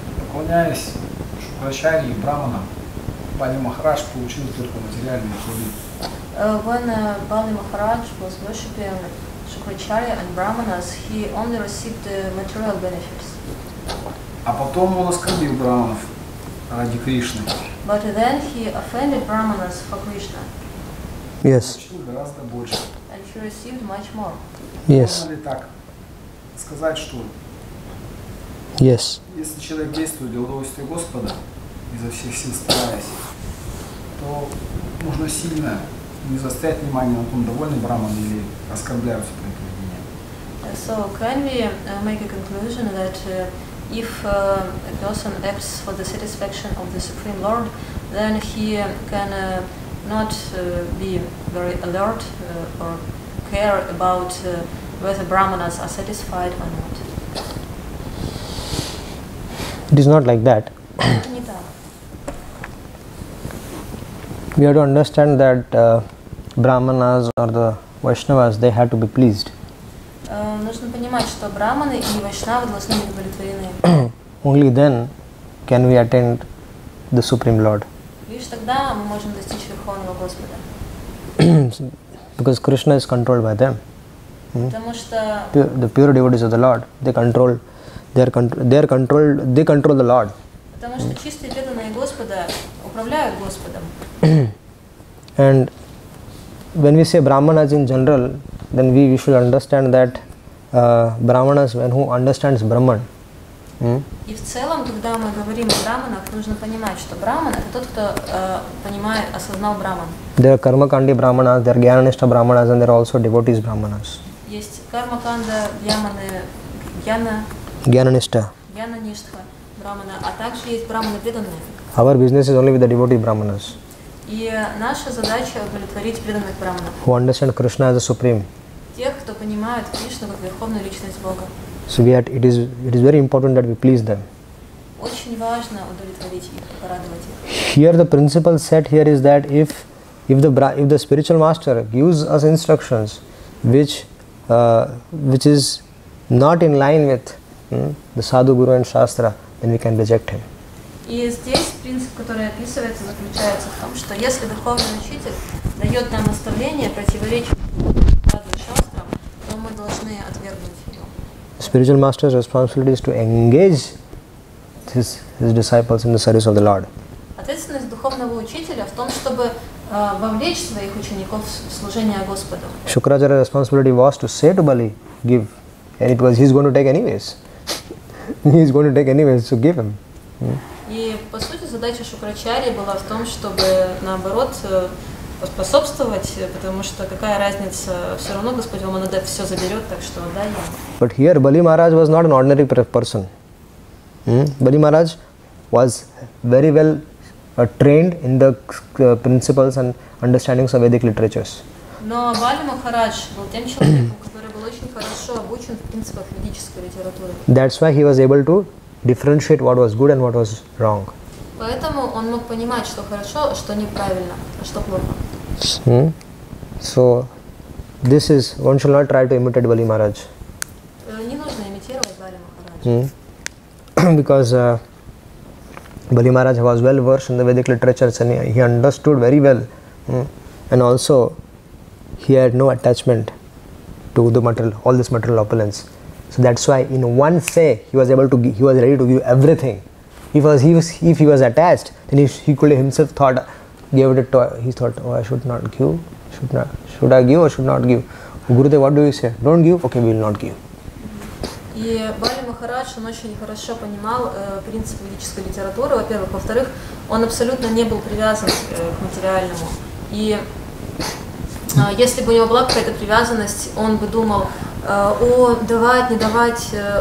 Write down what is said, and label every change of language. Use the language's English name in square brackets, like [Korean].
[Russian] Поклоняясь Шукрачарье и Браманам, Пани Махарадж получил только материальные услуги. [English] When Pani Maharaj was worshipping Shukracharya and Brahmanas, he only received material benefits. [Russian] А потом он оскорбил Браманов ради Кришны. [English] But then he offended Brahmanas for Krishna. Yes. [Russian] Получил гораздо больше. [English] And he received much more. Yes. [Russian] Можно ли так сказать, что [English] Yes. [Russian] Если человек действует для удовольствия Господа, изо всех сил стараясь, то нужно сильно не заострять внимание на том, довольны Браман или оскорбляются при поведении. [English] So, can we make a conclusion that if a person acts for the satisfaction of the Supreme Lord, then he can not be very alert or care about whether Brahmanas are satisfied or not? It is not like that. We have to understand that Brahmanas or the Vaishnavas, they have to be pleased. [Russian] Нужно понимать, что Брахманы и Вайшнавы должны быть удовлетворены. [English] Only then can we attain the Supreme Lord. [Russian] Лишь тогда мы можем достичь Верховного Господа. [English] Because Krishna is controlled by them. [Russian] Потому что [English] the pure devotees of the Lord, they control. They control the Lord. [Russian] Потому что чистые преданные Господа управляют Господом. [English] And when we say Brahmanas in general, then we should understand that Brahmanas when who understands Brahman. [Russian] И в целом, когда мы говорим о Брахманах, нужно понимать, что Брахман это тот, кто понимает, осознал Брахман. [English] There are Karmakandi Brahmanas, there are Gyananishtha Brahmanas, and there are also devotees Brahmanas. [Russian] Есть Кармаканда, Гьяманы, Гьяна. [English] Gyananishtha. Gyananishtha Brahmana. [Russian] А также есть Брахманы преданные. [English] Our business is only with the devotee Brahmanas. [Russian] И наша задача удовлетворить преданных Брахманов. [English] Who understand Krishna as the Supreme. [Russian] Тех, кто понимает Кришну как Верховную Личность Бога. [English] So it is very important that we please them. [Russian] Очень важно удовлетворить их, порадовать их. [English] Here the principle set here is that if the spiritual master gives us instructions which is not in line with the Sadhu Guru and Shastra, then we can reject him. [Russian] И здесь принцип, который описывается, заключается в том, что если Верховный Учитель дает нам наставление, противоречит Садху Шастрам, то мы должны отвергнуть его. [English] Spiritual master's responsibility is to engage his disciples in the service of the Lord. [Russian] Ответственность Духовного Учителя в том, чтобы вовлечь своих учеников в служение Господу. [English] Shukracharya's responsibility was to say to Bali, give, and it was he's going to take anyways. He's going to take anyways, so give him. [Russian] И по сути задача Шукрачарьи была в том, чтобы наоборот способствовать, потому что какая разница, все равно Господь вам надо все заберет, так что дай ему. [English] But here Bali Maharaj was not an ordinary person. Bali Maharaj was very well trained in the principles and understandings of Vedic literatures. [Russian] Но Бали Махарадж был тем человеком, который был очень хорошо обучен в принципах ведической литературы. [English] That's why he was able to differentiate what was good and what was wrong. [Russian] Поэтому он мог понимать, что хорошо, что неправильно, а что плохо. [English] So this is one should not try to imitate Bali Maharaj. [Russian] Не нужно имитировать Бали Махарадж. [English] Because Bali Maharaj was well versed in the Vedic literature, and he understood very well. And also, he had no attachment to the material, all this material opulence. So that's why, in one say, he was ready to give everything. If he was attached, then he could himself thought, gave it to. He thought, oh, I should not give, should not, should I give or should not give? Gurudev, what do you say? Don't give? Okay, we will not give. [Russian] И Бали Махарадж, он очень хорошо понимал принципы ведической литературы, во-первых. Во-вторых, он абсолютно не был привязан к материальному. И если бы у него была какая-то привязанность, он бы думал, давать, не давать.